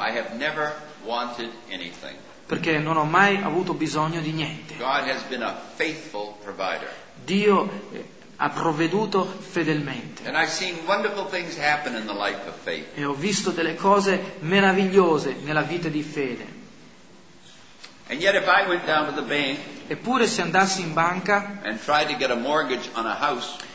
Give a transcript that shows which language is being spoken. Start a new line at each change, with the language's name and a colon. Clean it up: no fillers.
English: I have never wanted anything.
Italian: Perché non ho mai avuto bisogno di niente.
English: God has been a faithful provider.
Italian: Dio ha provveduto fedelmente.
English: And I've seen wonderful things happen in the life of faith.
Italian: E ho visto delle cose meravigliose nella vita di fede.
English: And yet if I went down to the bank,
Italian: eppure se andassi in banca
English: and tried to get a mortgage on a house,